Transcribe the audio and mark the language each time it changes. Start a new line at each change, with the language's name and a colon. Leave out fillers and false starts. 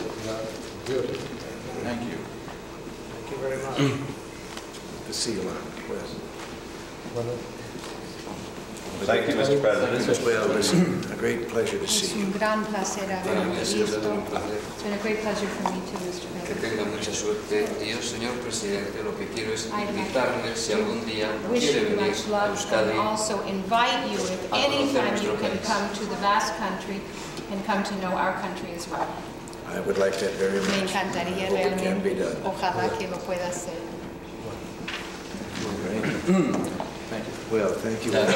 English: Thank you. Thank you very much. The seal on the quest. Thank you, Mr. President. This is a great pleasure to see you. It's been a great pleasure for me, too, Mr. President.
Spanish: Que tenga mucha suerte. Yo, señor presidente, lo que quiero es invitarles si algún día quieren venir a Euskadi.
English: And also invite you, if any time you can come to the Basque country and come to know our country as well. I would like that very much.
Spanish: Me encantaría realmente. Ojalá que lo pueda hacer.
English: Well, thank you.